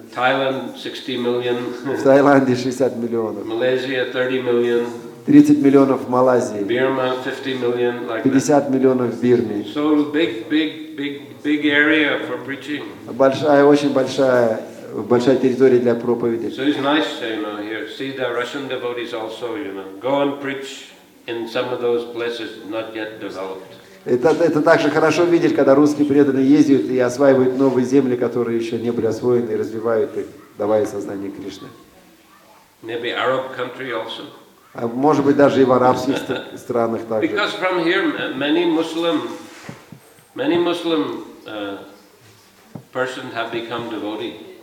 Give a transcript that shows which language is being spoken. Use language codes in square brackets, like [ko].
[en] Таиланд 60 million. [ru] В Таиланде 60 миллионов. [en] Малайзия 30 million. [ru] 30 миллионов в Малайзии. [en] Бирма 50 million. [ru] 50 миллионов в Бирме. [en] So big area for preaching. [ru] Большая территория для проповеди. [en] So it's nice, you know, here see the Russian devotees also, you know, go and preach in some of those places not yet developed. [ru] Это также хорошо видеть, когда русские преданные ездят и осваивают новые земли, которые еще не были освоены, и развивают их, давая сознание Кришны. [en] Maybe Arab country also. [ru] А может быть, даже и в арабских странах также. [en] Because from here many Muslim persons have become devotees.